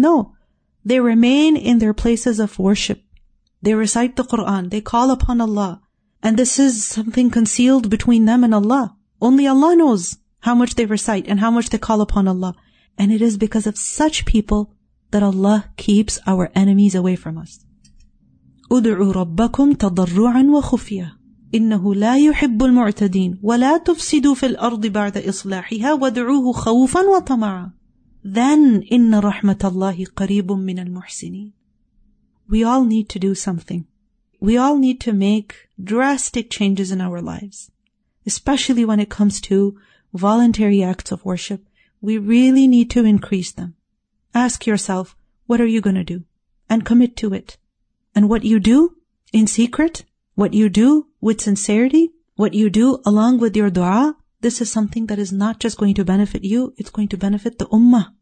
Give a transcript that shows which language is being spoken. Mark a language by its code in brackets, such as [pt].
[en] No, they remain in their places of worship. They recite the Quran, they call upon Allah. And this is something concealed between them and Allah. Only Allah knows how much they recite and how much they call upon Allah. And it is because of such people that Allah keeps our enemies away from us. [ar] أُدْعُوا رَبَّكُمْ تَضَرُّعًا وَخُفْيَةً إِنَّهُ لَا يُحِبُّ الْمُعْتَدِينَ وَلَا تُفْسِدُوا فِي الْأَرْضِ بَعْدَ إِصْلَاحِهَا وَادْعُوهُ خَوْفًا وَطَمَعًا Then إِنَّ رَحْمَةَ اللَّهِ قَرِيبٌ مِّنَ الْمُحْسِنِينَ [en] We all need to do something. we all need to make drastic changes in our lives, especially when it comes to voluntary acts of worship. We really need to increase them. Ask yourself, what are you going to do? And commit to it. And what you do in secret, what you do with sincerity, what you do along with your dua, this is something that is not just going to benefit you, it's going to benefit the ummah.